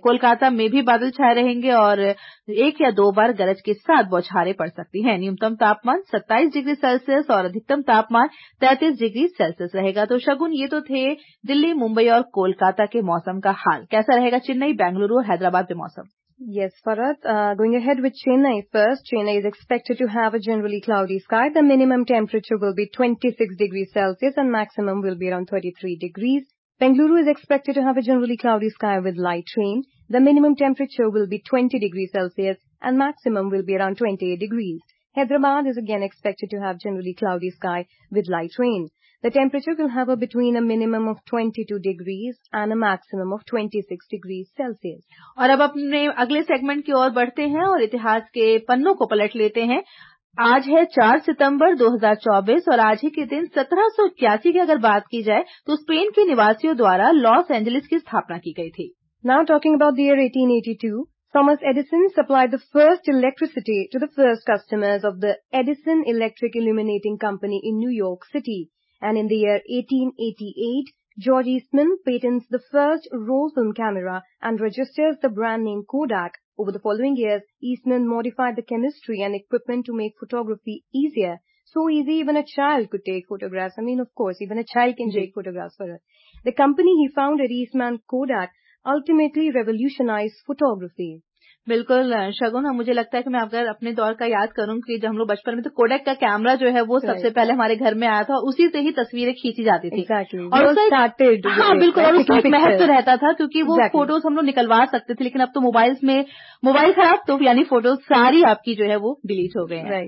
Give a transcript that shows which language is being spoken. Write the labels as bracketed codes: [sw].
[hi] कोलकाता में भी बादल छाए रहेंगे और एक या दो बार गरज के साथ बौछारें पड़ सकती हैं, न्यूनतम तापमान 27 डिग्री सेल्सियस और अधिकतम तापमान 33 डिग्री सेल्सियस रहेगा। तो शगुन, ये तो थे दिल्ली, मुंबई और कोलकाता के मौसम का हाल। कैसा रहेगा चेन्नई, बेंगलुरु और हैदराबाद के मौसम? [en] Yes, Farad. Going ahead with Chennai first, Chennai is expected to have a generally cloudy sky. The minimum temperature will be 26 degrees Celsius and maximum will be around 33 degrees. Bengaluru is expected to have a generally cloudy sky with light rain. The minimum temperature will be 20 degrees Celsius and maximum will be around 28 degrees. Hyderabad is again expected to have generally cloudy sky with light rain. The temperature will have between a minimum of 22 degrees and a maximum of 26 degrees Celsius. [hi] और अब अपने अगले segment की ओर बढ़ते हैं और इतिहास के पन्नों को पलट लेते हैं। आज है 4 सितंबर 2024 और आज ही के दिन 1781 की अगर बात की जाए तो स्पेन के निवासियों द्वारा लॉस एंजलिस की स्थापना की गई थी। [en] Now talking about the year 1882, Thomas Edison supplied the first electricity to the first customers of the Edison Electric Illuminating Company in New York City. And in the year 1888, George Eastman patents the first roll film camera and registers the brand name Kodak. Over the following years, Eastman modified the chemistry and equipment to make photography easier. So easy even a child could take photographs. I mean, of course, even a child can take photographs for us. The company he founded, Eastman Kodak, ultimately revolutionized photography. [hi] बिल्कुल शगुन, मुझे लगता है कि मैं अगर अपने दौर का याद करूं कि जब हम लोग बचपन में, तो कोडेक का कैमरा जो है वो सबसे पहले हमारे घर में आया था, उसी से ही तस्वीरें खींची जाती थी। और महत्व रहता था क्योंकि वो फोटोज हम लोग निकलवा सकते थे, लेकिन अब तो मोबाइल्स में, मोबाइल खराब तो यानी फोटोज सारी आपकी जो है वो डिलीट हो गए हैं।